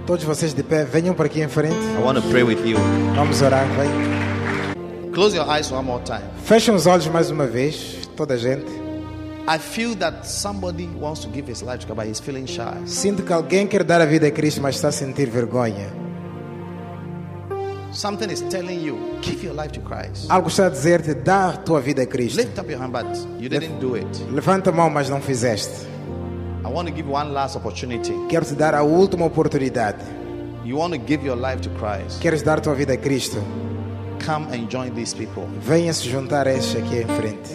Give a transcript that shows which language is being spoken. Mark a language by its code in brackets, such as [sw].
[pt] Todos vocês de pé, venham para aqui em frente. [en] I want to pray with you. [pt] Vamos orar, vai. [en] Close your eyes one more time. [pt] Feche os olhos mais uma vez, toda a gente. [en] I feel that somebody wants to give his life to God, but he's feeling shy. [pt] Sinto que alguém quer dar a vida a Cristo, mas está a sentir vergonha. [en] Something is telling you, give your life to Christ. [pt] Algo está a dizer-te, dá a tua vida a Cristo. [en] Lift up your hand, but you didn't do it. [pt] Levanta a mão, mas não fizeste. [en] I want to give one last opportunity. [pt] Quero te dar a última oportunidade. [en] You want to give your life to Christ. [pt] Queres dar a tua vida a Cristo? [en] Come and join these people. [pt] Venha se juntar a este aqui em frente.